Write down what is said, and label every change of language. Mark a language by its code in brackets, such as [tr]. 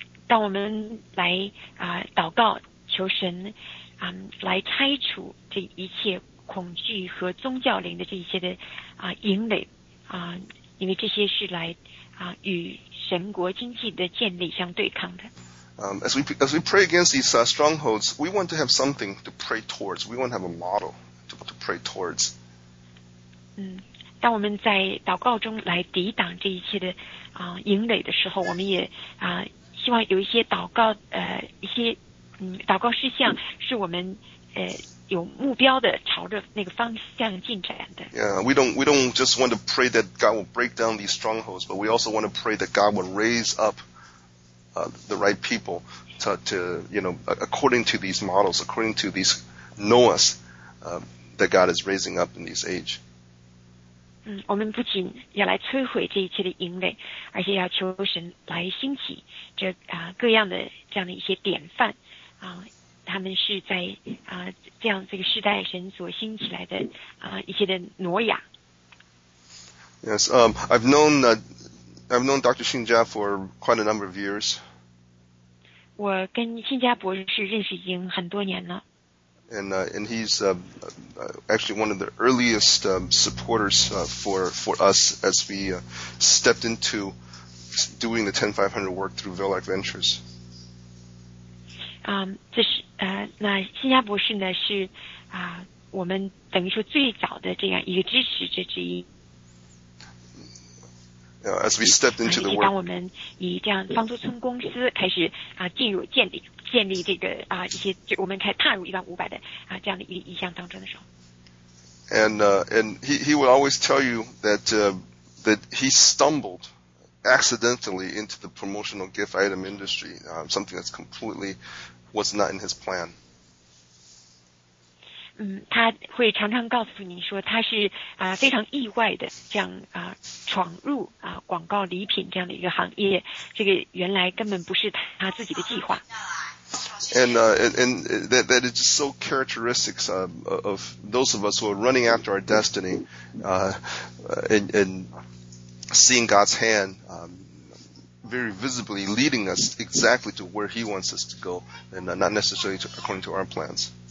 [zh] 当我们来祷告求神来拆除这一切恐惧和宗教灵的这些的营垒因为这些是来与神国经济的建立相对抗的。 [en] As we pray against these strongholds, we want to have something to pray towards. We want to have a model to pray towards. [zh] 当我们在祷告中来抵挡这一切的营垒的时候，我们也希望有一些祷告一些祷告事项是我们有目标的朝着那个方向进展的。 [en] Yeah, we don't just want to pray that God will break down these strongholds, but we also want to pray that God will raise up the right people to you know according to these models, according to these Noahs that God is raising up in this age. [zh] 我们不仅要来摧毁这一切的营垒，而且要求神来兴起这各样的这样的一些典范他们是在这样这个世代神所兴起来的一些的挪亚。 [en] Yes, I've known Dr. Xin Jia for quite a number of years. [zh] 我跟新加博士认识已经很多年了。 [en] And he's actually one of the earliest supporters for us as we stepped into doing the 10500 work through Velak Ventures. [zh] 这是那新加博士呢是我们等于说最早的这样一个支持者之一。 [en] As we stepped into the work, [zh] 当我们以这样方舟村公司开始进入建立这个一些就我们开始踏入1500的这样的一项当中的时候。 [en] And he would always tell you that that he stumbled accidentally into the promotional gift item industry, something that's completely was not in his plan. [zh] 他会常常告诉你说他是非常意外的这样闯入广告礼品这样的一个行业，这个原来根本不是他自己的计划。 [en] And that is just so characteristic of those of us who are running after our destiny and seeing God's hand very visibly leading us exactly to where he wants us to go and not necessarily according to our plans.